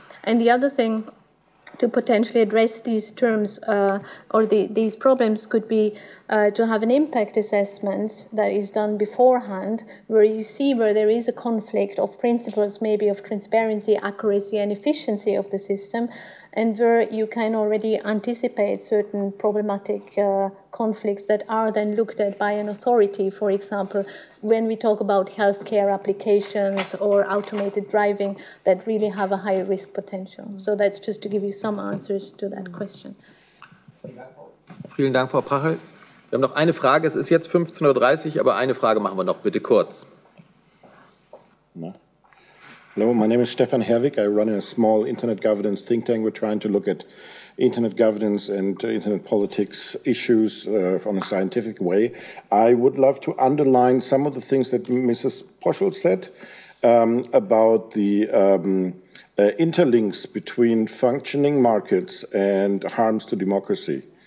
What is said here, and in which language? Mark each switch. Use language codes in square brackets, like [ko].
[en] And the other thing to potentially address these terms these problems could be to have an impact assessment that is done beforehand, where you see where there is a conflict of principles, maybe of transparency, accuracy, and efficiency of the system, and where you can already anticipate certain problematic conflicts that are then looked at by an authority. For example, when we talk about healthcare applications or automated driving that really have a high risk potential. So that's just to give you some answers to that question. [de] Vielen Dank, Frau Prachel. Wir haben noch eine Frage. Es ist jetzt 15.30 Uhr, aber eine Frage machen wir noch. Bitte kurz. [en] Hello, my name is Stefan Herwig. I run a small internet governance think tank. We're trying to look at internet governance and internet politics issues from a scientific way. I would love to underline some of the things that Mrs. Poschel said about the interlinks between functioning markets and harms to democracy.